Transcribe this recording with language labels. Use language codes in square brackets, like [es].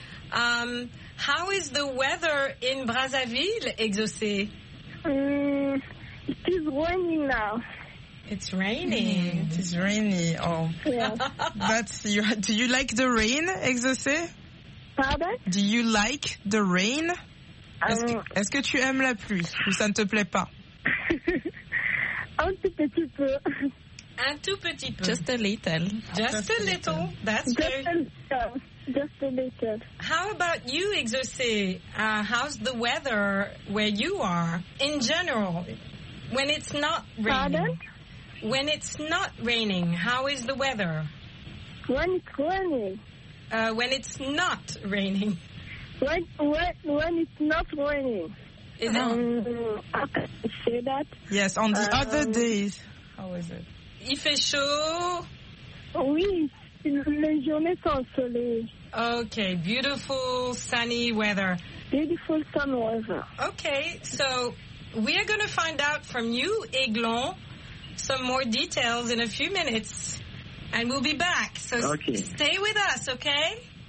[en] How is the weather in Brazzaville, exaucé? It is raining now. It's raining. It is rainy. Oh. Yeah. Do you like the rain, exaucé? Pardon? Do you like the rain? [fr] Est-ce que tu aimes la pluie ou ça ne te plaît pas? Un tout petit peu. Un tout petit peu. [en] Just a little. Just a little. That's good. just a little. How about you, Exaucé? How's the weather where you are in general? When it's not raining? Pardon? When it's not raining, how is the weather? When it's raining. When it's not raining. When it's not raining. Is it? How can I say that? Yes, on the other days. How is it? [fr] Il fait chaud? Oui, les journées sont soleil. [en] Okay, beautiful sunny weather. Beautiful sun weather. Okay, so we are going to find out from you, Aiglon, some more details in a few minutes. And we'll be back. So okay. Stay with us, okay?